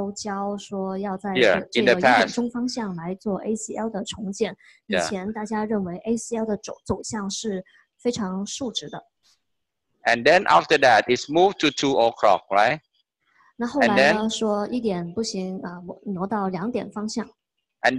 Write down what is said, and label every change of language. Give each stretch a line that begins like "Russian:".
Chinese: 是一点钟方向。我还比较年轻的时候呢，老师都教说要在 这个一点钟方向来做ACL的重建。以前大家认为 ACL 的走向是非常竖直的。
English: And then after that, it's moved to 2 o'clock, right?
Chinese: 那后来呢，说一点不行，挪到两点方向。
English: And